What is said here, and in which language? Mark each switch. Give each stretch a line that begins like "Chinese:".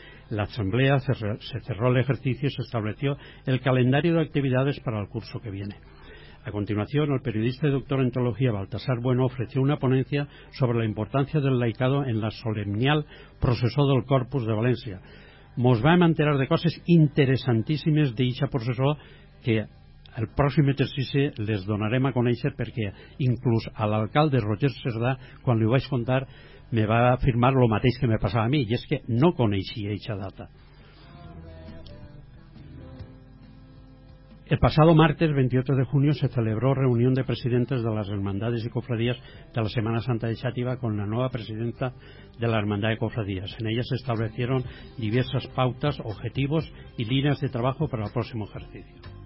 Spanish: La asamblea se cerró el ejercicio y se estableció el calendario de actividades para el curso que viene. A continuación, el periodista y doctor en teología Baltasar Bueno ofreció una ponencia sobre la importancia del laicado en la solemnial procesó del Corpus de València.
Catalan: Mos va a enterar de coses interessantíssimes d'eixa processó que el pròxim exercici les donarem a conèixer, perquè inclús a l'alcalde Roger Cerdà, quan li ho vaig contar, me va afirmar lo mateix que me passava a mi, i és que no coneixia eixa data.
Spanish: El passado martes 28 de junio se celebró reunión de presidentes de las hermandades y cofradías de la Semana Santa de Xàtiva con la nueva presidenta de la hermandad de cofradías. En ella se establecieron diversas pautas, objetivos y líneas de trabajo para el próximo ejercicio.